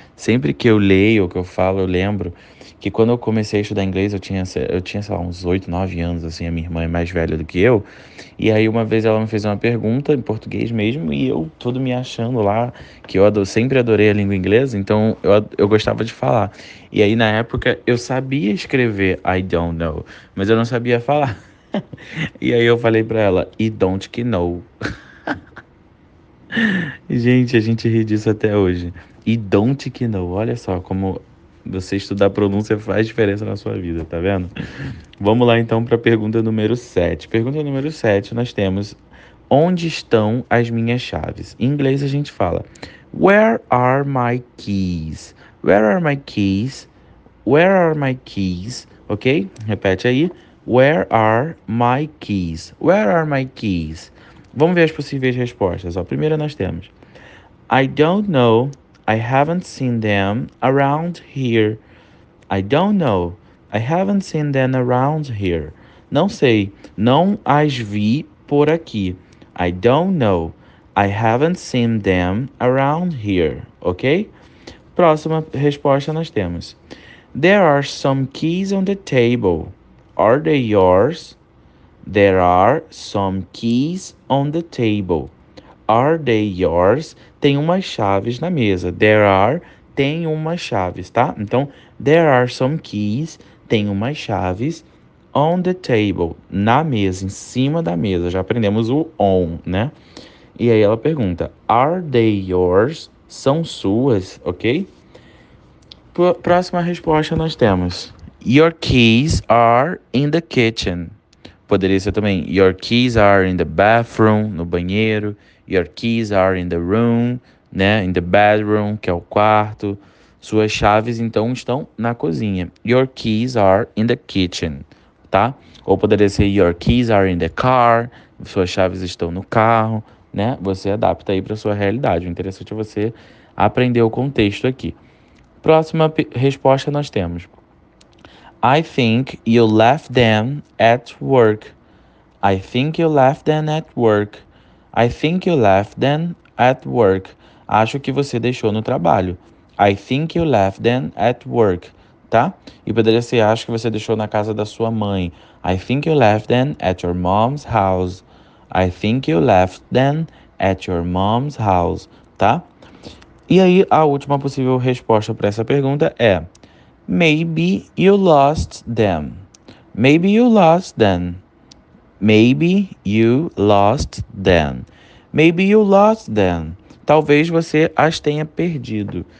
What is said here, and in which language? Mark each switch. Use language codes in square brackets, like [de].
[pt] Sempre que eu leio ou que eu falo, eu lembro que quando eu comecei a estudar inglês, eu tinha, sei lá, uns 8, 9 anos, assim, a minha irmã é mais velha do que eu. E aí uma vez ela me fez uma pergunta em português mesmo, e eu todo me achando lá, que eu sempre adorei a língua inglesa, então eu gostava de falar. E aí na época eu sabia escrever [en] I don't know, [pt] mas eu não sabia falar. E aí eu falei pra ela, [en] I don't know. [pt] Gente, a gente ri disso até hoje. E don't que não. Olha só como você estudar pronúncia faz diferença na sua vida, tá vendo? Vamos lá então para a pergunta número 7. Pergunta número 7, nós temos onde estão as minhas chaves? Em inglês a gente fala, [en] where are my keys? Where are my keys? Where are my keys? Ok? [pt] Repete aí. [en] Where are my keys? Where are my keys? [pt] Vamos ver as possíveis respostas. A primeira nós temos, [en] I don't know, I haven't seen them around here. I don't know, I haven't seen them around here. [pt] Não sei, não as vi por aqui. [en] I don't know, I haven't seen them around here. Ok? [pt] Próxima resposta nós temos, [en] there are some keys on the table. Are they yours? There are some keys on the table. Are they yours? [pt] Tem umas chaves na mesa. [en] There are, [pt] tem umas chaves, tá? Então, [en] there are some keys, [pt] tem umas chaves [en] on the table, [pt] na mesa, em cima da mesa. Já aprendemos o on, né? E aí ela pergunta, [en] are they yours? [pt] São suas, ok? Próxima resposta nós temos, [en] your keys are in the kitchen. [pt] Poderia ser também, [en] your keys are in the bathroom, no banheiro. Your keys are in the room, né? In the bedroom, [pt] que é o quarto. Suas chaves, então, estão na cozinha. [en] Your keys are in the kitchen, tá? [pt] Ou poderia ser, [en] your keys are in the car. [pt] Suas chaves estão no carro, né? Você adapta aí para sua realidade. O interessante é você aprender o contexto aqui. Próxima resposta nós temos, [en] I think you left them at work. I think you left them at work. I think you left them at work. [pt] Acho que você deixou no trabalho. [en] I think you left them at work. [pt] Tá? E poderia ser, acho que você deixou na casa da sua mãe. [en] I think you left them at your mom's house. I think you left them at your mom's house. [pt] Tá? E aí, a última possível resposta para essa pergunta é, [en] maybe you lost them. Maybe you lost them. Maybe you lost them. Maybe you lost them. [pt] Talvez você as tenha perdido.